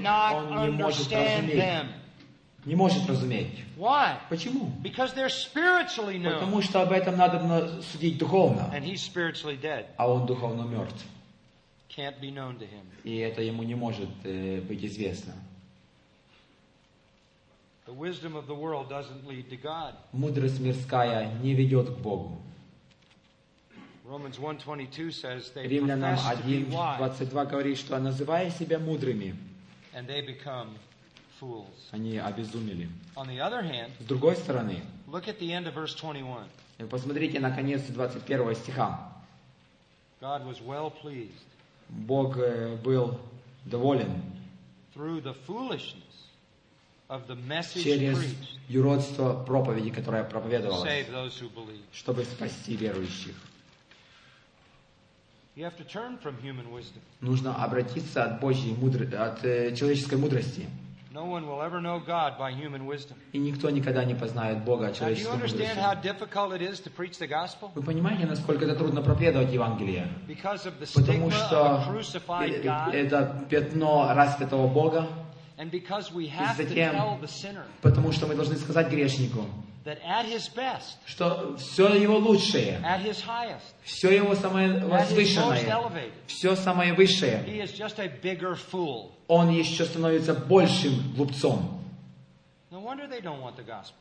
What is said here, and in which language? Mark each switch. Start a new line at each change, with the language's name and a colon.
Russian: Он не может разуметь. Не может разуметь.
English: Why?
Russian: Почему?
English: Because they're spiritually known.
Russian: Потому что об этом надо судить духовно.
English: And he's spiritually dead.
Russian: А он духовно мертв.
English: Can't be known to him.
Russian: И это ему не может быть известно.
English: The wisdom of the world doesn't lead to God.
Russian: Мудрость мирская не ведет к Богу.
English: Romans 1:22 says they profess to be wise.
Russian: Римлянам 1:22 говорит, что называя себя мудрыми,
English: and they become
Russian: они обезумели.
English: On the other hand,
Russian: с другой стороны,
English: look at the end of verse 21.
Russian: Посмотрите на конец 21 стиха.
English: God was well pleased.
Russian: Бог был доволен.
English: through the foolishness of the message
Russian: через юродство проповеди, которая проповедовалась,
English: save those who believe.
Russian: Чтобы спасти верующих.
English: You have to turn from human wisdom.
Russian: Нужно обратиться от Божьей мудрости, от человеческой мудрости.
English: No one will ever know God by human wisdom.
Russian: И никто никогда не познает Бога человеческой мудростью.
English: Do you understand how difficult it is to preach the gospel?
Russian: Вы понимаете, насколько это трудно проповедовать Евангелие?
English: Because of the stigma of a crucified God.
Russian: Потому что это пятно распятого Бога.
English: And because we have to tell the sinner.
Russian: Потому что мы должны сказать грешнику.
English: That at his best.
Russian: Что все его лучшее.
English: At his highest.
Russian: Все его самое возвышенное. Все самое высшее.
English: He is just a bigger fool.
Russian: Он еще становится большим глупцом.
English: No wonder they don't want the gospel.